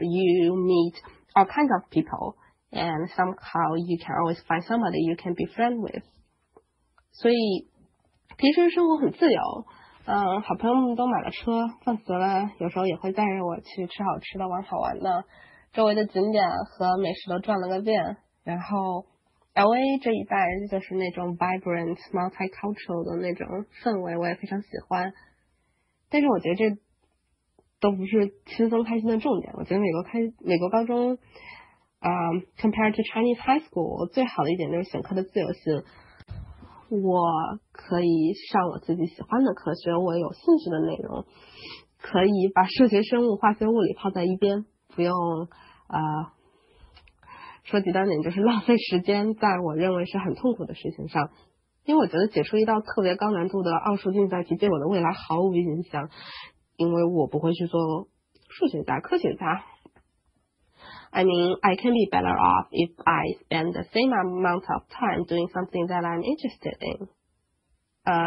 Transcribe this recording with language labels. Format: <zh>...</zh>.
<en>You meet all kinds of people and somehow you can always find somebody you can be friend with.</en> <zh>所以平时生活很自由，好朋友们都买了车放学了，有时候也会带着我去吃好吃的玩好玩的，周围的景点和美食都转了个遍。然后 LA 这一带就是那种</zh> <en>vibrant multicultural</en> <zh>的那种氛围，我也非常喜欢。但是我觉得这都不是轻松开心的重点。我觉得美国高中</zh> <en>compared to Chinese high school</en> <zh>最好的一点就是选课的自由性，我可以上我自己喜欢的课，学我有兴趣的内容，可以把数学生物化学物理抛在一边，不用说极端点就是浪费时间在我认为是很痛苦的事情上。因为我觉得解出一道特别高难度的奥数竞赛题对我的未来毫无影响，因为我不会去做数学家科学家。</zh> <en>I mean, I can be better off if I spend the same amount of time doing something that I'm interested in.</en>